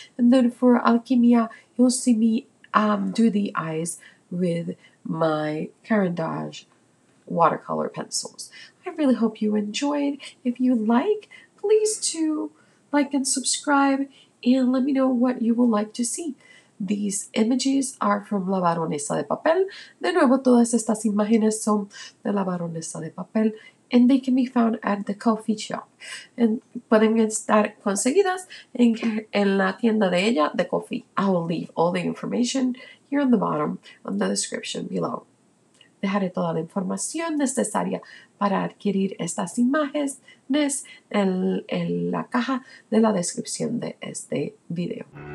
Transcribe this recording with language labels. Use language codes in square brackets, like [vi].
[en] And then for Alquimia, you'll see me do the eyes with my Caran d'Ache watercolor pencils. I really hope you enjoyed. If you like, please do like and subscribe and let me know what you would like to see. These images are from La Baronesa de Papel. [es] De nuevo, todas estas imágenes son de La Baronesa de Papel. [en] And they can be found at the coffee shop. And [es] pueden estar conseguidas en la tienda de ella, de coffee. [en] I will leave all the information here on the bottom, on the description below. [es] Dejaré toda la información necesaria para adquirir estas imágenes en la caja de la descripción de este video.